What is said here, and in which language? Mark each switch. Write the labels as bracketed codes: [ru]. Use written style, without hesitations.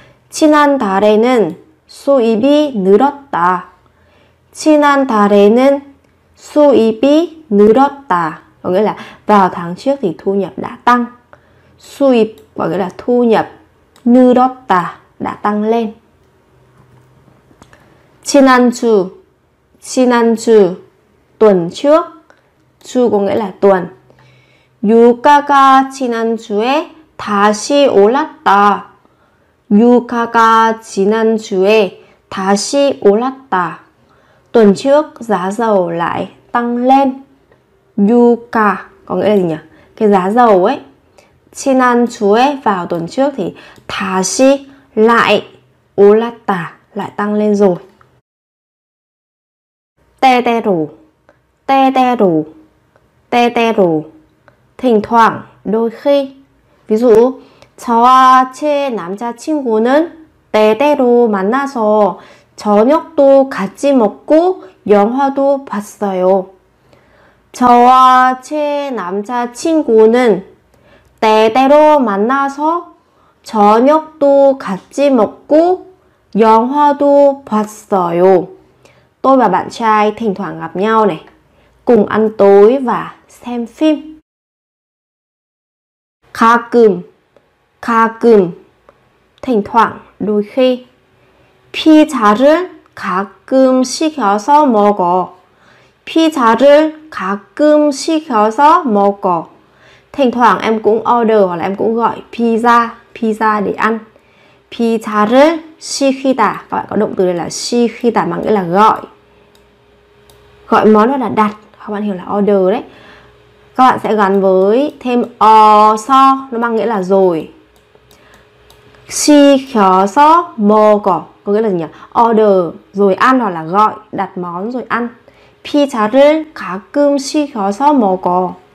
[ko] 지난달에는 수입이 늘었다. 지난달에는 수입이 늘었다. [vi] Có nghĩa là vào tháng trước thì thu nhập đã tăng. 수입 có nghĩa là thu nhập. 늘었다 đã tăng lên. [ko] 지난주 지난주 tuần trước. [vi] 주 có nghĩa là tuần. [ko] 유가가 지난주에 다시 올랐다. 유가가 지난주에 다시 올랐다. [vi] Tuần trước giá dầu lại tăng lên. 유가 có nghĩa là gì nhỉ? Cái giá dầu ấy. 지난주에 vào tuần trước thì 다시 lại 올랐다 lại tăng lên rồi. 때때로 때때로 때때로 thỉnh thoảng đôi khi. [ko] Ví dụ 저와 제 남자친구는 때때로 만나서 저녁도 같이 먹고 영화도 봤어요. 저와 제 남자친구는 때때로 만나서 저녁도 같이 먹고 영화도 봤어요. [vi] Tôi và bạn trai thỉnh thoảng gặp nhau này, cùng ăn tối và xem phim. 가끔, 가끔, thỉnh thoảng, đôi khi. [ko] 피자를 가끔 시켜서 먹어. 피자를 가끔 시켜서 먹어. [vi] Thỉnh thoảng em cũng order hoặc là em cũng gọi pizza, pizza để ăn. 피자를 시키다, các bạn có động từ đây là 시키다 mà nghĩa là gọi. Gọi món là đặt, các bạn hiểu là order đấy. Các bạn sẽ gắn với thêm o so, nó mang nghĩa là rồi. 시켜서 먹어 có nghĩa là gì nhỉ? Order rồi ăn hoặc là gọi đặt món rồi ăn. [ko] 피자를 가끔 시켜서 먹어.